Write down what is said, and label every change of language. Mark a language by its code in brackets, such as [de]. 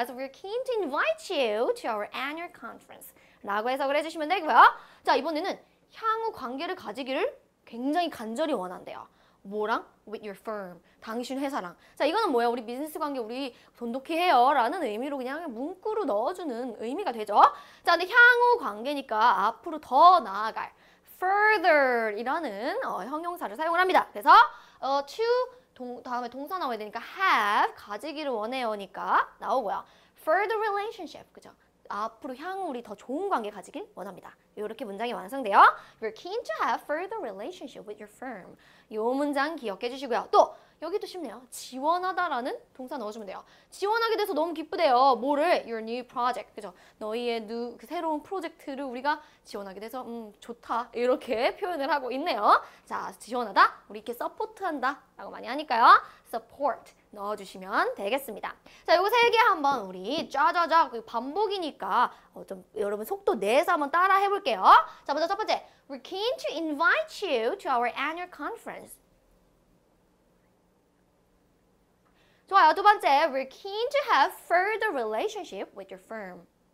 [en] So we're keen to invite you to our annual conference. [ko] 라고 해석을 해주시면 되고요. 자, 이번에는 향후 관계를 가지기를 굉장히 간절히 원한대요. 뭐랑? [en] With your firm. [ko] 당신 회사랑. 자, 이거는 뭐야? 우리 비즈니스 관계 우리 돈독히 해요. 라는 의미로 그냥 문구로 넣어주는 의미가 되죠. 자, 근데 향후 관계니까 앞으로 더 나아갈. Further 이라는 형용사를 사용을 합니다. 그래서 to 다음에 동사 나와야 되니까 have 가지기를 원해요니까 나오고요. [en] Further relationship. [ko] 그죠? 앞으로 향후 우리 더 좋은 관계 가지길 원합니다. 이렇게 문장이 완성돼요. [en] We're keen to have further relationship with your firm. [ko] 이 문장 기억해 주시고요. 또 여기도 쉽네요. 지원하다라는 동사 넣어주면 돼요. 지원하게 돼서 너무 기쁘대요. 뭐를? [en] Your new project. [ko] 그죠? 너희의 그 새로운 프로젝트를 우리가 지원하게 돼서 좋다. 이렇게 표현을 하고 있네요. 자, 지원하다. 우리 이렇게 서포트한다. 라고 많이 하니까요. Support. 넣어주시면 되겠습니다. 자, 요거 세 개 한번 우리 쫙쫙쫙 반복이니까 좀 여러분 속도 내서 한번 따라 해볼게요. 자, 먼저 첫 번째. [en] We're keen to invite you to our annual conference. [ko] 좋아요. 두 번째. [en] We're keen to have further relationship with your firm.